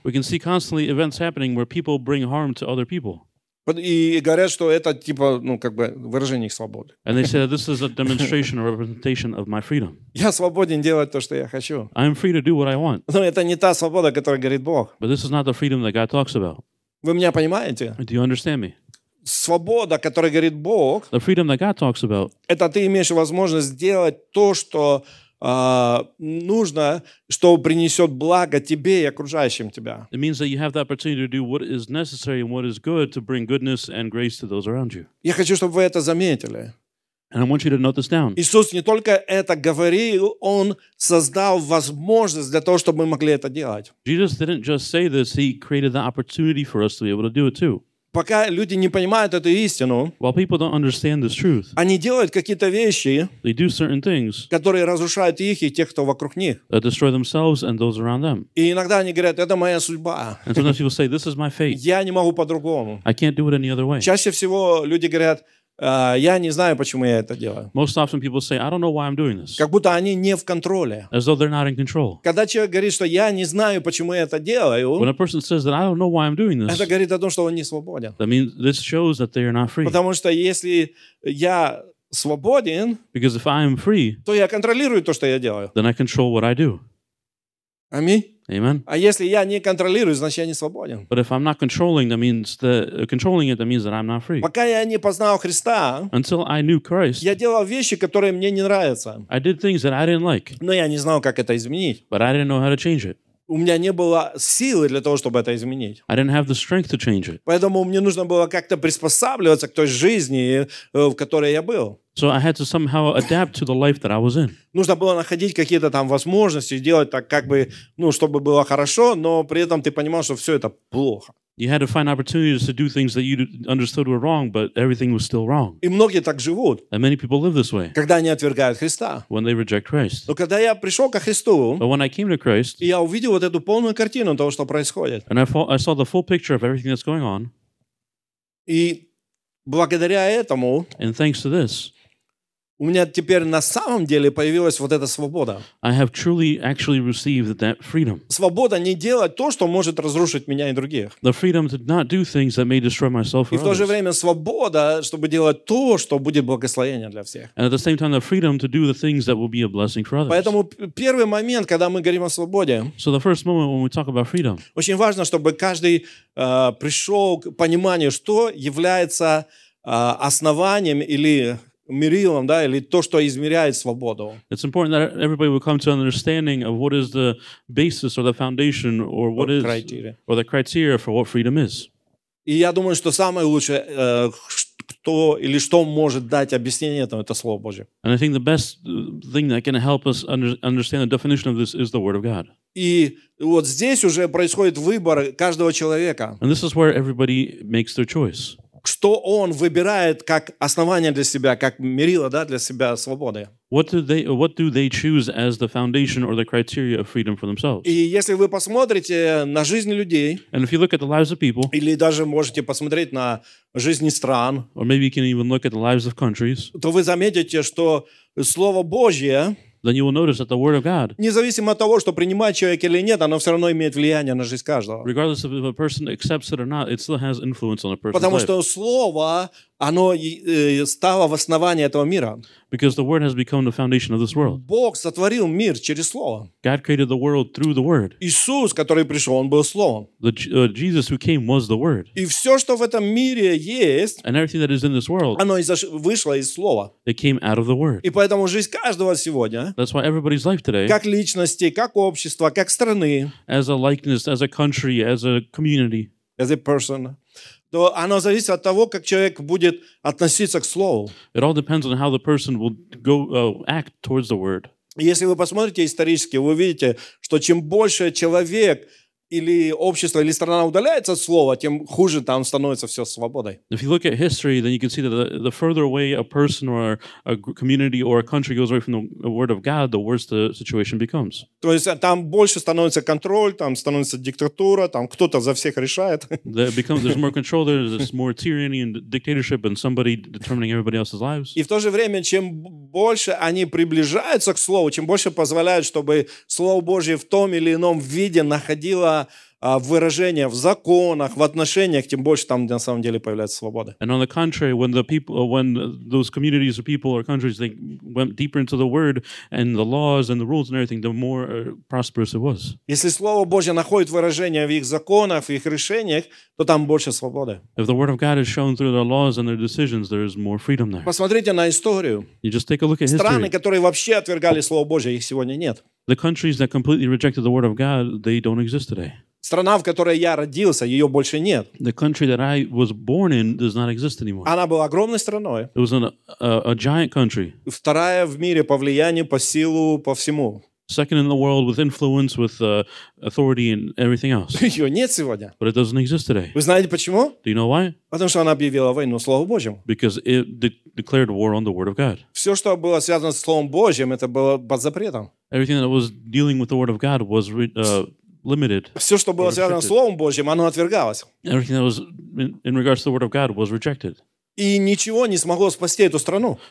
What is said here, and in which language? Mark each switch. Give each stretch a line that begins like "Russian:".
English: We can see constantly events happening where people bring harm to other people.
Russian: И говорят, что это типа, выражение их свободы.
English: And they say that this is a demonstration or representation of my freedom.
Russian: Я свободен делать то, что я хочу.
English: I am free to do what I want.
Russian: Но это не та свобода, о которой говорит Бог.
English: But this is not the freedom that God talks about.
Russian: Вы меня понимаете?
English: Do you understand me?
Russian: Свобода, о которой говорит Бог,
English: the freedom that God talks about,
Russian: это ты имеешь возможность сделать то, что нужно, что принесет благо тебе и окружающим тебя.
English: It means that you have the opportunity to do what is necessary and what is good to bring goodness and grace to those around you.
Russian: Я хочу, чтобы вы это заметили.
English: And I want you to note this down.
Russian: Иисус не только это говорил, он создал возможность для того, чтобы мы могли это делать.
English: Jesus didn't just say this, he created the opportunity for us to be able to do it too.
Russian: Пока люди не понимают эту истину,
English: while people don't understand this truth,
Russian: они делают какие-то вещи,
English: they do certain things,
Russian: которые разрушают их и тех, кто вокруг них.
English: That destroy themselves and those around them.
Russian: И иногда они говорят, это моя судьба.
English: And sometimes people say, this is my fate.
Russian: Я не могу по-другому.
English: I can't do it any other way.
Russian: Чаще всего люди говорят, я не знаю, почему я это делаю.
English: Most often people say, I don't know why I'm doing this.
Russian: Как будто они не в контроле.
English: As though they're not in control.
Russian: Когда человек говорит, что я не знаю, почему я это делаю,
English: when a person says that I don't know why I'm doing this,
Russian: это говорит о том, что он не свободен.
English: That means this shows that they are not free.
Russian: Потому что если я свободен,
English: because if I am free,
Russian: то я контролирую то, что я делаю.
English: Then I control what I do.
Russian: Аминь.
English: Amen.
Russian: А если я не контролирую, значит, я не свободен.
English: But if I'm not controlling, that means that controlling it, that means that I'm not free.
Russian: Пока я не познал Христа,
English: until I knew Christ,
Russian: я делал вещи, которые мне не нравятся.
English: I did things that I didn't like.
Russian: Но я не знал, как это изменить.
English: But I didn't know how to change it.
Russian: У меня не было силы для того, чтобы это изменить.
English: I didn't have the strength to change it.
Russian: Поэтому мне нужно было как-то приспосабливаться к той жизни, в которой я был.
English: So I had to somehow adapt to the life that I was in.
Russian: Нужно было находить какие-то там возможности, делать так, как бы, ну, чтобы было хорошо, но при этом ты понимал, что все это плохо.
English: You had to find opportunities to do things that you understood were wrong, but everything was still wrong.
Russian: И многие так живут.
English: And many people live this way.
Russian: Когда они отвергают Христа.
English: When they reject Christ.
Russian: Но когда я пришел ко Христу,
English: but when I came to Christ,
Russian: я увидел вот эту полную картину того, что происходит.
English: And I saw the full picture of everything that's going on.
Russian: И благодаря этому,
English: and thanks to this,
Russian: у меня теперь на самом деле появилась вот эта свобода.
English: I have truly actually received that freedom.
Russian: Свобода не делать то, что может разрушить меня и других.
English: The freedom to not do things that may destroy myself or others.
Russian: И в то же время свобода, чтобы делать то, что будет благословение для всех.
English: And at the same time, the freedom to do the things that will be a blessing for others.
Russian: Поэтому первый момент, когда мы говорим о свободе,
English: so the first moment when we talk about freedom,
Russian: очень важно, чтобы каждый пришел к пониманию, что является основанием или мерилом, да, или то, что измеряет свободу.
English: It's important that everybody will come to an understanding of what is the basis or the foundation or what is criteria. Or the criteria for what freedom is.
Russian: И я думаю, что самое лучшее, кто или что может дать объяснение этому, это Слово Божие.
English: And I think the best thing that can help us understand the definition of this is the Word of God.
Russian: И вот здесь уже происходит выбор каждого человека.
English: And this is where everybody makes their choice.
Russian: Что он выбирает как основание для себя, как мерило, да, для себя свободы.
English: What do they choose as the foundation or the criteria of freedom for themselves?
Russian: И если вы посмотрите на жизни людей,
English: and if you look at the lives of people,
Russian: или даже можете посмотреть на жизни стран,
English: or maybe you can even look at the lives of countries,
Russian: то вы заметите, что Слово Божье,
English: then you will notice that the Word of God,
Russian: независимо от того, что принимает человек или нет, оно все равно имеет влияние на жизнь каждого.
English: Regardless of if a person accepts it or not, it still has influence on a person's
Russian: потому
English: life.
Russian: Потому что Слово, оно стало в основании этого мира.
English: Because the Word has become the foundation of this world.
Russian: Бог сотворил мир через Слово.
English: God created the world through the Word.
Russian: Иисус, который пришел, Он был Словом.
English: Jesus who came was the Word.
Russian: И все, что в этом мире есть,
English: and everything that is in this world,
Russian: оно вышло из Слова.
English: It came out of the Word.
Russian: И поэтому жизнь каждого сегодня,
English: that's why everybody's life today,
Russian: как личности, как общества, как страны,
English: as a likeness, as a country, as a community, as a person,
Russian: то оно зависит от того, как человек будет относиться к Слову.
English: It all depends on how the person will go, act towards the Word.
Russian: Если вы посмотрите исторически, вы увидите, что чем больше человек или общество, или страна удаляется от Слова, тем хуже там становится все свободой.
English: If you look at history, then you can see that the further away a person or a community or a country goes away from the Word of God, the worse the situation becomes.
Russian: То есть там больше становится контроль, там становится диктатура, там кто-то за всех решает.
English: There's more control, there's more tyranny and dictatorship and somebody determining everybody else's lives.
Russian: И в то же время, чем больше они приближаются к Слову, чем больше позволяют, чтобы Слово Божие в том или ином виде находило выражение в законах, в отношениях, тем больше там на самом деле появляется свобода.
English: And on the contrary, when the people, when those communities of people or countries, they went deeper into the Word and the laws and the rules and everything, the more prosperous it was.
Russian: Если Слово Божье находит выражение в их законах, в их решениях, то там больше свободы.
English: If the Word of God is shown through their laws and their decisions, there is more freedom there.
Russian: Посмотрите на историю.
English: You just take a look at
Russian: страны,
English: history.
Russian: Которые вообще отвергали Слово Божье, их сегодня нет.
English: The countries that completely rejected the Word of God, they don't exist today.
Russian: Страна, в которой я родился, ее больше нет.
English: The country that I was born in does not exist anymore.
Russian: Она была огромной страной.
English: It was a giant country.
Russian: Вторая в мире по влиянию, по силу, по всему.
English: Second in the world with influence, with authority and everything else.
Russian: Ее нет сегодня.
English: But it doesn't exist today.
Russian: Вы знаете почему?
English: Do you know why?
Russian: Потому что она объявила войну Слову Божьему.
English: Because it declared war on the Word of God.
Russian: Все, что было связано с Словом Божьим, это было под запретом.
English: Everything that was dealing with the Word of God was limited.
Russian: Все, что было связано с Словом Божьим, оно отвергалось.
English: Everything that was in regards to the Word of God was rejected.
Russian: И ничего не смогло спасти эту страну.